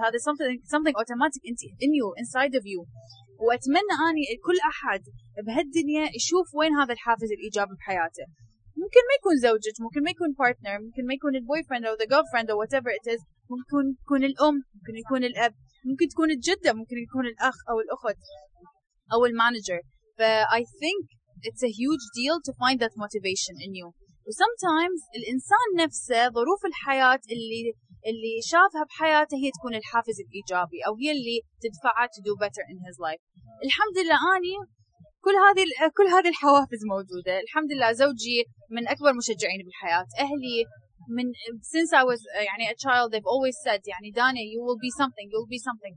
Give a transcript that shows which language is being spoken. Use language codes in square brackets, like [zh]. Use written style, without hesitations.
[ar] هذا [en] something automatic in you inside of you. [ar] وأتمنى أني كل أحد بهالدنيا يشوف وين هذا الحافز الإيجابي بحياته. ممكن ما يكون زوجك، ممكن ما يكون partner، ممكن ما يكون البويفرند أو [en] the girlfriend [ar] أو [en] whatever it is، [ar] ممكن يكون الأم، ممكن يكون الأب، ممكن تكون الجدة، ممكن يكون الأخ أو الأخت أو المانجر. [en] فI think it's a huge deal to find that motivation in you. [ar] وsometimes الإنسان نفسه ظروف الحياة اللي شافها بحياته هي تكون الحافز الإيجابي أو هي اللي تدفعه [en] to do better in his life. [ar] الحمد لله أني كل هذه الحوافز موجودة. الحمد لله زوجي من أكبر مشجعين بالحياة، أهلي من [en] since I was [ar] يعني [en] a child they've always said [ar] يعني دانيا [en] you will be something.